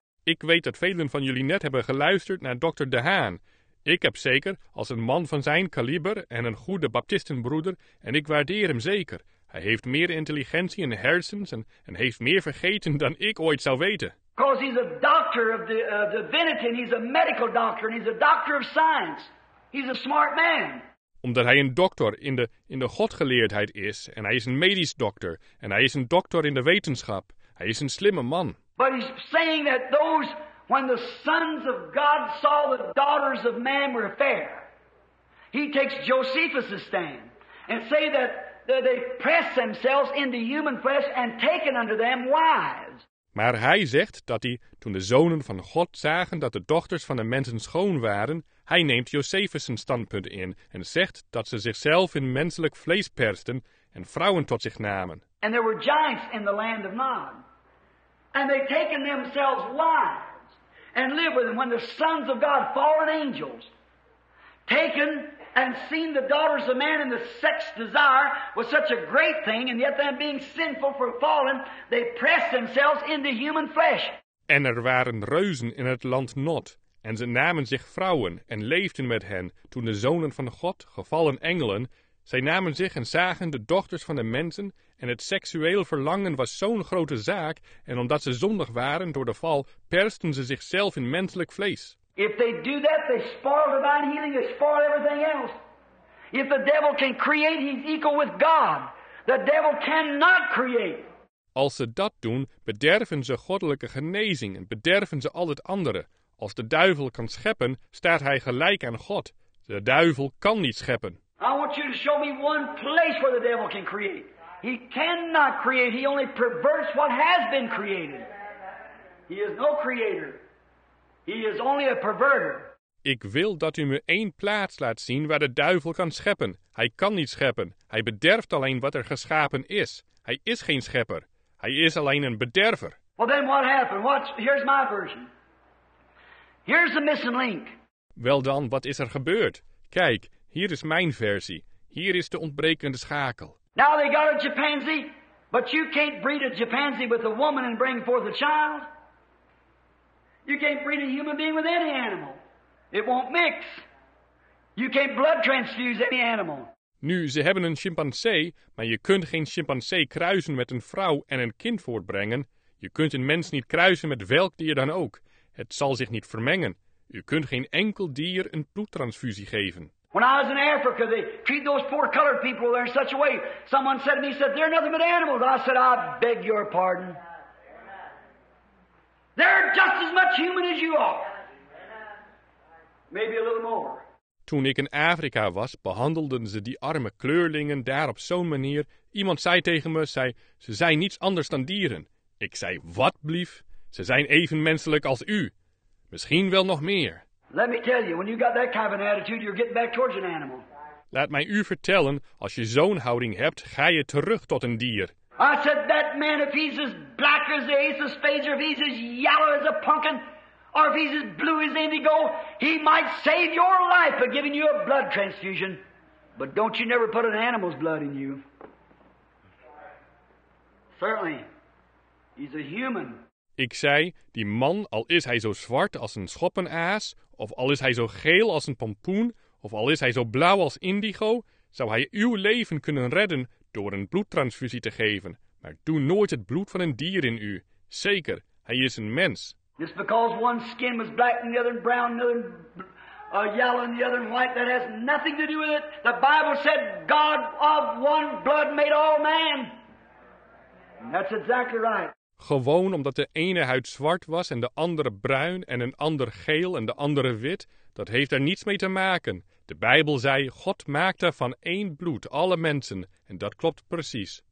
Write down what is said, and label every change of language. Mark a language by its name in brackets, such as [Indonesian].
[Dutch] Ik weet dat velen van jullie net hebben geluisterd naar Dr. Dehan. Ik heb zeker, als een man van zijn kaliber en een goede baptistenbroeder, en ik waardeer hem zeker. Hij heeft meer intelligentie en hersens en heeft meer vergeten dan ik ooit zou weten. [English] Because he's a doctor of the divinity, and he's a medical doctor, and he's a doctor of science. He's a smart man. [Dutch] Omdat hij een dokter in de godgeleerdheid is, en hij is een medisch dokter, en hij is een dokter in de wetenschap. Hij is een slimme man. [English] But he's saying that those, when the sons of God saw the daughters of man were fair, he takes Josephus' stand and say that they press themselves into human flesh and taken unto them wives. [Dutch] Maar hij zegt dat hij, toen de zonen van God zagen dat de dochters van de mensen schoon waren, hij neemt Josephus een standpunt in en zegt dat ze zichzelf in menselijk vlees persten en vrouwen tot zich namen. [English] And there were giants in the land of Nod. And they taken themselves wives and lived with them. When the sons of God, fallen angels, taken and seen the daughters of man in the sex desire was such a great thing, and yet them being sinful for fallen, they pressed themselves into human flesh. [Dutch] En er waren reuzen in het land Nod. En ze namen zich vrouwen en leefden met hen, toen de zonen van God, gevallen engelen, zij namen zich en zagen de dochters van de mensen, en het seksueel verlangen was zo'n grote zaak, en omdat ze zondig waren door de val, persten ze zichzelf in menselijk vlees. [English] If they do that, they spoil divine healing, they spoil everything else. If the devil can create, he's equal with God. The devil cannot create. [Dutch] Als ze dat doen, bederven ze goddelijke genezing en bederven ze al het andere. Als de duivel kan scheppen, staat hij gelijk aan God. De duivel kan niet scheppen. [English] I want you to show me one place where the devil can create. He cannot create. He only perverts what has been created. He is no creator. He is only a perverter. [Dutch] Ik wil dat u me één plaats laat zien waar de duivel kan scheppen. Hij kan niet scheppen. Hij bederft alleen wat er geschapen is. Hij is geen schepper. Hij is alleen een bederver. [English] Well then what happened? Here's my version. Here's the missing link. [Dutch] Wel dan, wat is er gebeurd? Kijk, hier is mijn versie. Hier is de ontbrekende schakel. [English] Now they got a chimpanzee, but you can't breed a chimpanzee with a woman and bring forth a child. You can't breed a human being with any animal. It won't mix. You can't blood transfuse any animal. [Dutch] Nu, ze hebben een chimpansee, maar je kunt geen chimpansee kruisen met een vrouw en een kind voortbrengen. Je kunt een mens niet kruisen met welk dier dan ook. Het zal zich niet vermengen. U kunt geen enkel dier een bloedtransfusie geven. [English] When I was in Africa, they treat those poor colored people there in such a way. Someone said to me, said, they're nothing but animals. I said, I beg your pardon. They're just as much human as you are. Maybe a little more. [Dutch] Toen ik in Afrika was, behandelden ze die arme kleurlingen daar op zo'n manier. Iemand zei tegen me, zei, ze zijn niets anders dan dieren. Ik zei, wat blief? Ze zijn even menselijk als u. Misschien wel nog meer. [English] Let me tell you, when you got that kind of an attitude, you're getting back towards an animal. [Dutch] Laat mij u vertellen, als je zo'n houding hebt, ga je terug tot een dier. [English] I said, that man, if he's as black as the ace of spades, or if he's as yellow as a pumpkin, or if he's as blue as indigo, he might save your life by giving you a blood transfusion. But don't you never put an animal's blood in you. Certainly, he's a human. [Dutch] Ik zei, die man, al is hij zo zwart als een schoppenaas, of al is hij zo geel als een pompoen, of al is hij zo blauw als indigo, zou hij uw leven kunnen redden door een bloedtransfusie te geven. Maar doe nooit het bloed van een dier in u. Zeker, hij is een mens. [English] Just because one skin was black and the other brown, and the other yellow and the other white, that has nothing to do with it. The Bible said, God of one blood made all man. And that's exactly right. [Dutch] Gewoon omdat de ene huid zwart was en de andere bruin en een ander geel en de andere wit, dat heeft er niets mee te maken. De Bijbel zei, God maakte van één bloed alle mensen en dat klopt precies.